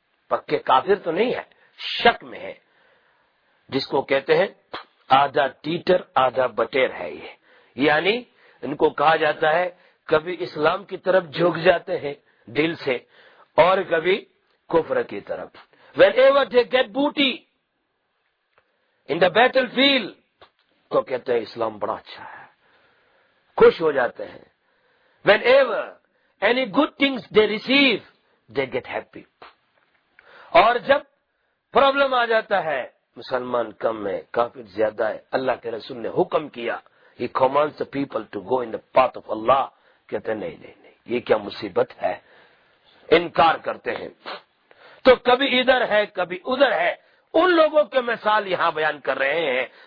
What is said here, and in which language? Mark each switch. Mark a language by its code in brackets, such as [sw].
[ur] پکے کافر تو نہیں ہے, شک میں ہے. جس کو کہتے ہیں آدھا تیتر آدھا بٹیر ہے یہ, یعنی ان کو کہا جاتا ہے کبھی اسلام کی طرف جھک جاتے ہیں دل سے اور کبھی کفر کی طرف. [en] Whenever they get booty in the battlefield, [ur] تو کہتے ہیں اسلام بڑا اچھا ہے, خوش ہو جاتے ہیں. [en] Whenever any good things they receive, they get happy. [ur] اور جب پرابلم آ جاتا ہے, مسلمان کم ہے کافر زیادہ ہے, اللہ کے رسول نے حکم کیا, [en] he commands the people to go in the path of Allah, [ur] کہتے ہیں نہیں نہیں نہیں یہ کیا مصیبت ہے, انکار کرتے ہیں. تو کبھی ادھر ہے کبھی ادھر ہے. ان لوگوں کے مثال یہاں بیان کر رہے ہیں.